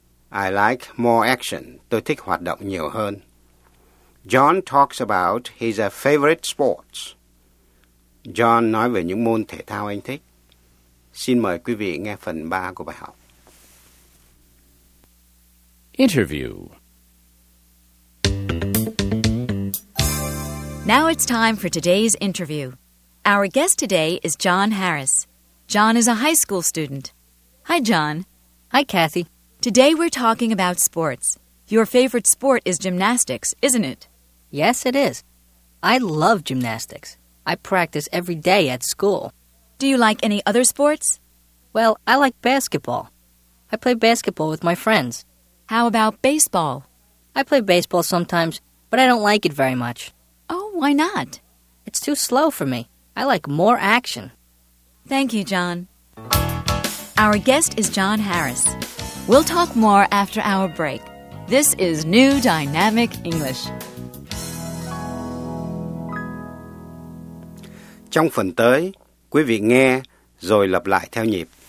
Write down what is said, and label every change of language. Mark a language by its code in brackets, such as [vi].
[en] I like more action. [vi] Tôi thích hoạt động nhiều hơn. [en] John talks about his favorite sports. [vi] John nói về những môn thể thao anh thích. Xin mời quý vị nghe phần 3 của bài học. [en] Interview. Now it's time for today's interview. Our guest today is John Harris. John is a high school student. Hi, John. Hi, Kathy. Today we're talking about sports. Your favorite sport is gymnastics, isn't it? Yes, it is. I love gymnastics. I practice every day at school. Do you like any other sports? Well, I like basketball. I play basketball with my friends. How about baseball? I play baseball sometimes, but I don't like it very much. Oh, why not? It's too slow for me. I like more action. Thank you, John. Our guest is John Harris. We'll talk more after our break. This is New Dynamic English. [vi] Trong phần tới, quý vị nghe rồi lặp lại theo nhịp.